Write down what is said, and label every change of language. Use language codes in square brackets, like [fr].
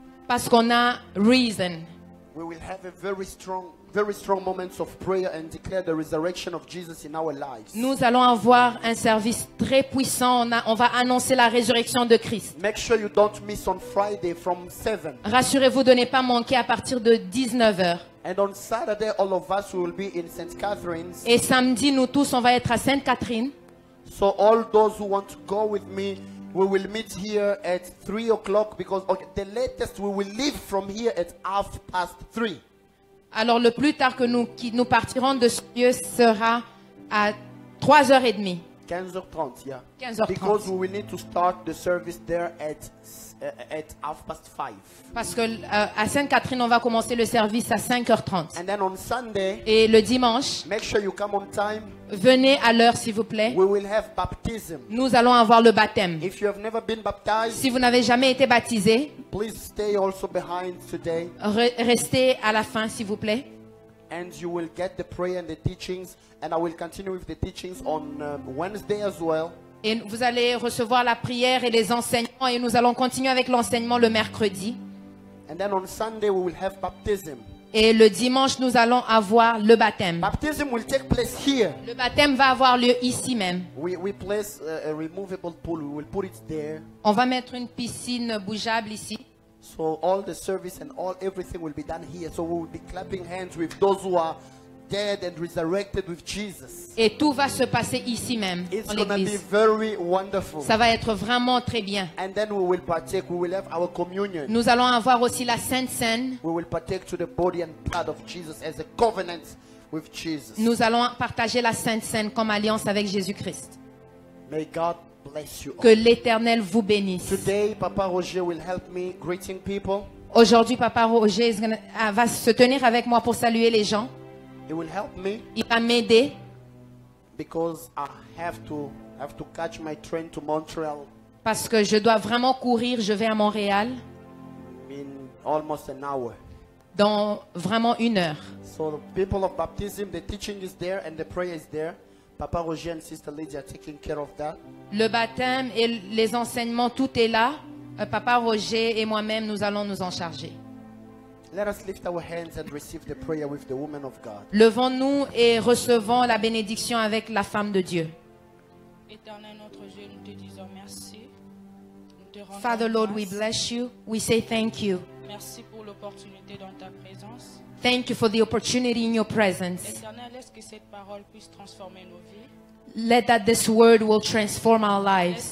[fr] Parce qu'on a reason. [en] We will have a very strong moments of prayer and declare the resurrection of Jesus in our lives. [fr] Nous allons avoir un service très puissant. On va annoncer la résurrection de Christ. [en] Make sure you don't miss on Friday from 7. [fr] Rassurez-vous de ne pas manquer à partir de 19h. [en] And on Saturday all of us will be in St. Catherine's. [fr] Et samedi nous tous on va être à Sainte-Catherine. [en] So all those who want to go with me, we will meet here at 3 o'clock because okay, the latest we will leave from here at 3:30. [fr] Alors le plus tard que nous partirons de ce lieu sera à 3h30. 15h30, yeah. 15h30. [en] Because we will need to start the service there at 5:30. [fr] Parce que à Sainte-Catherine on va commencer le service à 5h30. [en] And then on Sunday. [fr] Et le dimanche. [en] Make sure you come on time. [fr] Venez à l'heure s'il vous plaît. [en] We will have baptism. [fr] Nous allons avoir le baptême. [en] If you have never been baptized. [fr] Si vous n'avez jamais été baptisé. [en] Please stay also behind today. [fr] Restez à la fin s'il vous plaît. [en] And you will get the prayer and the teachings, and I will continue with the teachings on Wednesday as well. [fr] Et vous allez recevoir la prière et les enseignements et nous allons continuer avec l'enseignement le mercredi. [en] And then on Sunday we will have baptism. [fr] Et le dimanche nous allons avoir le baptême. [en] Baptism will take place here. [fr] Le baptême va avoir lieu ici même. [en] We place a removable pool. We will put it there. [fr] On va mettre une piscine bougeable ici. [en] So all the service and all everything will be done here. So we will be clapping hands with those who are dead and resurrected with Jesus. [fr] Et tout va se passer ici même. [en] It's going to be very wonderful. [fr] Ça va être vraiment très bien. [en] And then we will partake. We will have our communion. [fr] Nous allons avoir aussi la Sainte Cène. [en] We will partake to the body and blood of Jesus as a covenant with Jesus. [fr] Nous allons partager la Sainte Cène comme alliance avec Jésus-Christ. [en] May God bless you. [fr] Que l'Éternel vous bénisse. [en] Today, Papa Roger will help me greeting people. [fr] Aujourd'hui, Papa Roger va se tenir avec moi pour saluer les gens. [en] He will help me. [fr] Il va m'aider. [en] because I have to catch my train to Montreal. [fr] Parce que je dois vraiment courir, je vais à Montréal. [en] In almost an hour. [fr] Dans vraiment une heure. [en] So the people of baptism, the teaching is there and the prayer is there. Papa Roger and Sister Lydia are taking care of that. [fr] Le baptême et les enseignements, tout est là. Papa Roger et moi-même, nous allons nous en charger. [en] Let us lift our hands and receive the prayer with the woman of God. [fr] Levons-nous et recevons la bénédiction avec la femme de Dieu. Éternel notre Dieu, nous te disons merci. [en] Father Lord, we bless you. We say thank you. [fr] Merci pour l'opportunité dans ta présence. [en] Thank you for the opportunity in your presence. [fr] Éternel, laisse que cette parole puisse transformer nos vies. [en] Let that this word will transform our lives.